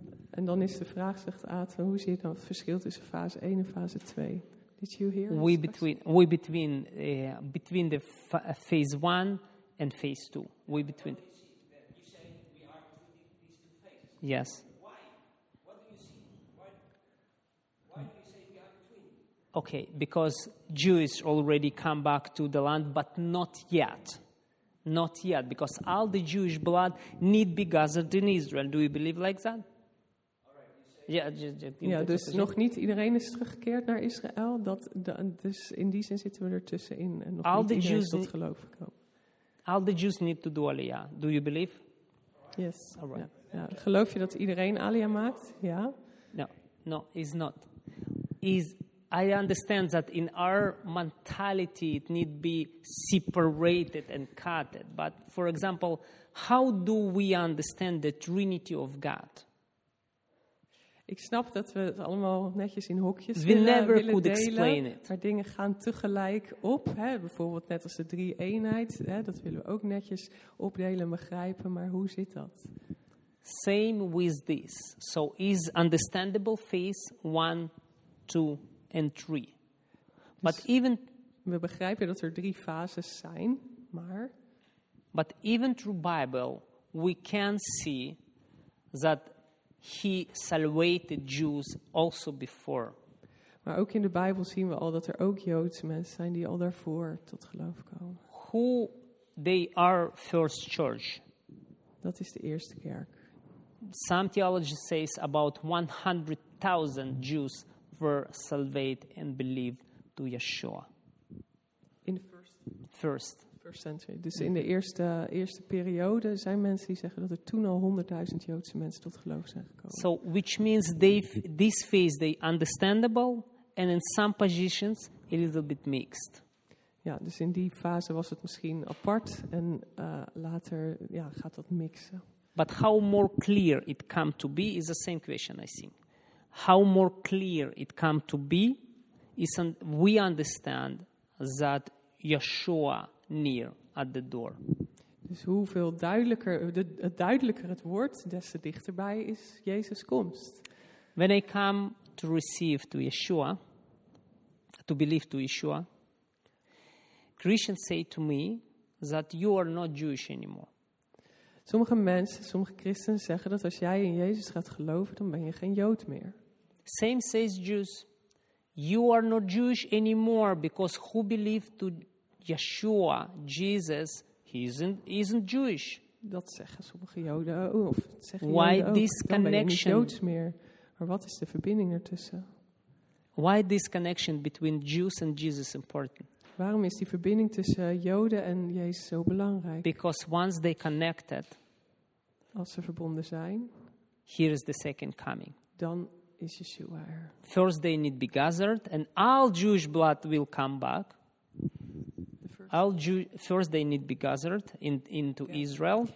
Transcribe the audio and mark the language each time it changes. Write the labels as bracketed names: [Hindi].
[Dutch] En dan is de vraag, zegt Aten, hoe zie je dan het verschil tussen fase 1 en fase 2? [English] Did you hear we between us? Between the phase 1 and phase 2. We between. You say we are between these two phases. Yes. Why? What do you see? Why? Why do you say we are between? Okay, because Jews already come back to the land, but not yet. Not yet, because all the Jewish blood need be gathered in Israel. Do you believe like that? [Dutch] Ja, dus nog niet iedereen is teruggekeerd naar Israël. Dus in die zin zitten we er tussenin. En nog [English] all [Dutch] niet iedereen is tot geloof gekomen. [English] All the Jews need to do Aliyah. Do you believe? Yes. All right. [Dutch] Ja. Geloof je dat iedereen Aliyah maakt? Ja. [English] No, it's not. I understand that in our mentality it need be separated and cut. But for example, how do we understand the Trinity of God? [Dutch] Ik snap dat we het allemaal netjes in hokjes [English] we [Dutch] willen, [English] never [Dutch] willen [English] could [Dutch] delen. [English] Explain it. [Dutch] Maar dingen gaan tegelijk op. Hè? Bijvoorbeeld net als de drie eenheid. Hè? Dat willen we ook netjes opdelen en begrijpen. Maar hoe zit dat? [English] Same with this. So is understandable phase 1, 2 and 3. But [Dutch] dus [English] even [Dutch] we begrijpen dat er drie fases zijn, maar [English] but even through Bible we can see that He salvated Jews also before. [Dutch] Maar ook in de Bijbel zien we al dat er ook Joodse mensen zijn die al daarvoor tot geloof komen. [English] Who they are first church? [Dutch] Dat is de eerste kerk. [English] Some theologians says about 100,000 Jews were salvated and believed to Yeshua. In the first century. [Dutch] Dus in de eerste periode zijn mensen die zeggen dat er toen al 100,000 Joodse mensen tot geloof zijn gekomen. [English] So which means this phase they understandable and in some positions a little bit mixed. [Dutch] Ja, dus in die fase was het misschien apart en later gaat dat mixen. [English] But how more clear it come to be is the same question I think. How more clear it come to be is we understand that Yeshua near at the door. [Dutch] Dus hoeveel duidelijker het woord, des te dichterbij is Jezus' komst. [English] When I come to receive to Yeshua, to believe to Yeshua, Christians say to me that you are not Jewish anymore. [Dutch] Sommige christenen zeggen dat als jij in Jezus gaat geloven, dan ben je geen Jood meer. [English] Same says Jews, you are not Jewish anymore because who believed to Yeshua, Jesus, he isn't Jewish. [Dutch] Dat zeggen sommige Joden of zeggen Why Joden ook. [English] This [Dutch] dan connection? Ben je niet Joods meer. Maar wat is de verbinding ertussen? [English] Why this connection between Jews and Jesus important? [Dutch] Waarom is die verbinding tussen Joden en Jezus zo belangrijk? [English] Because once they connected, [Dutch] als ze verbonden zijn, [English] here is the second coming. [Dutch] Dan is Yeshua er. [English] First they need be gathered and all Jewish blood will come back. First they need be gathered into Israel.